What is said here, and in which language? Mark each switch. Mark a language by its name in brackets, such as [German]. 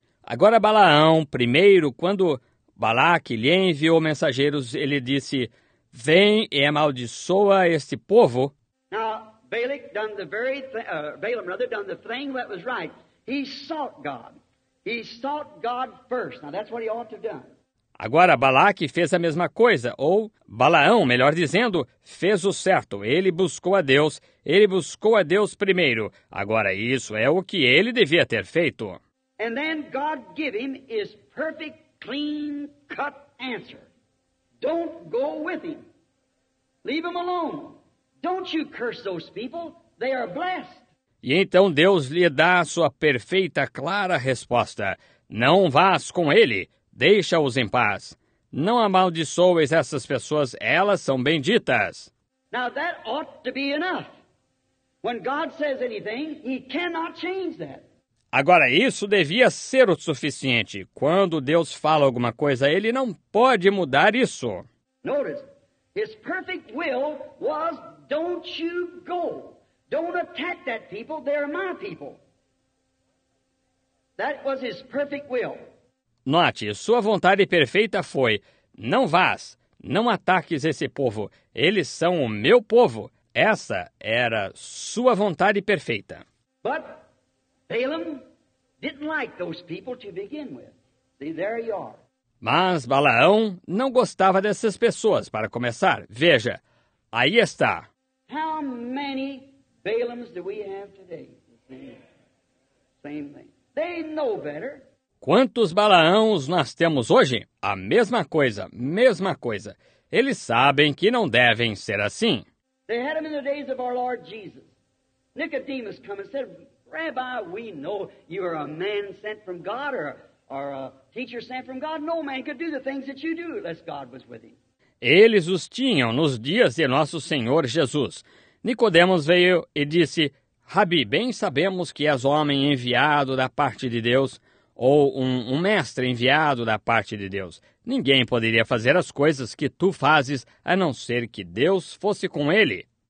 [Portuguese] Agora, Balaão, primeiro, quando Balaque lhe enviou mensageiros, ele disse, vem e amaldiçoa este povo. [English] Now, Balak done the very Balaam, rather, done the thing that was right. He sought God. He sought God first. Now, that's what he ought to have done. [Portuguese] Agora, Balaque fez a mesma coisa, ou Balaão, melhor dizendo, fez o certo. Ele buscou a Deus primeiro. Agora, isso é o que ele devia ter feito. [English] And then God gave him his perfect, clean, cut answer. Don't go with him. Leave him alone. Don't you curse those people. They are blessed. [Portuguese] E então Deus lhe dá a sua perfeita, clara resposta. Não vás com ele. Deixa-os em paz. Não amaldiçoes essas pessoas, elas são benditas. [English] Now that ought to be enough. When God says anything, he cannot change that. [Portuguese] Agora, isso devia ser o suficiente. Quando Deus fala alguma coisa, ele não pode mudar isso. [English] Notice, his perfect will was, don't you go. Don't attack that people, they're my people. That was his perfect will. [Portuguese] Note, sua vontade perfeita foi, não vás, não ataques esse povo, eles são o meu povo. Essa era sua vontade perfeita. [English] But Balaam didn't like those people to begin with. See, there you are. [Portuguese] Mas Balaão não gostava dessas pessoas, para começar. Veja, aí está. [English] How many Balaams do we have today? Same thing. They know better. [Portuguese] Quantos Balaãos nós temos hoje? A mesma coisa, mesma coisa. Eles sabem que não devem ser assim. [English] They had them in the days of our Lord Jesus. Nicodemus come and said, Rabbi, we know you are a man sent from God or a teacher sent from God. No man could do the things that you do unless God was with him. [Portuguese] Eles os tinham nos dias de nosso Senhor Jesus. Nicodemus veio e disse, Rabi, bem sabemos que és homem enviado da parte de Deus. Ou um mestre enviado da parte de Deus. Ninguém poderia fazer as coisas que tu fazes, a não ser que Deus fosse com ele.